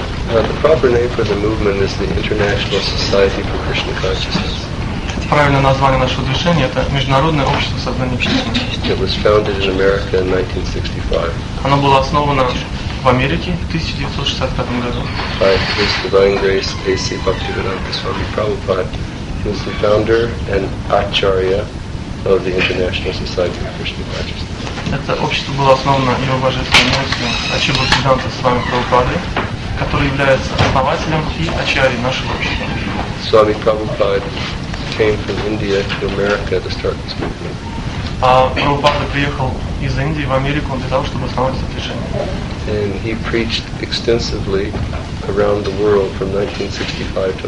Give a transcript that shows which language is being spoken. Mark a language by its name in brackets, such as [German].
[English] The proper name for the movement is the International Society for Krishna Consciousness. [Russian] Правильное название нашего движения — это Международное общество сознания Кришны. [English] It was founded in America in 1965. [Russian] Оно было основано в Америке в 1965 году. [English] By His Divine Grace A.C. Bhaktivedanta Swami Prabhupada, who is the founder and acharya of the International Society for Krishna Consciousness. [Russian] Это общество было основано Его Божественностью Ачи Бхактивиданта Свами Прабхупадой, который является основателем и ачарьей нашего общества. [English] Swami Prabhupada came from India to America to start this movement. [Russian] Прабхупада приехал из Индии в Америку для того, чтобы основать это движение. [English] And he preached extensively around the world from 1965 to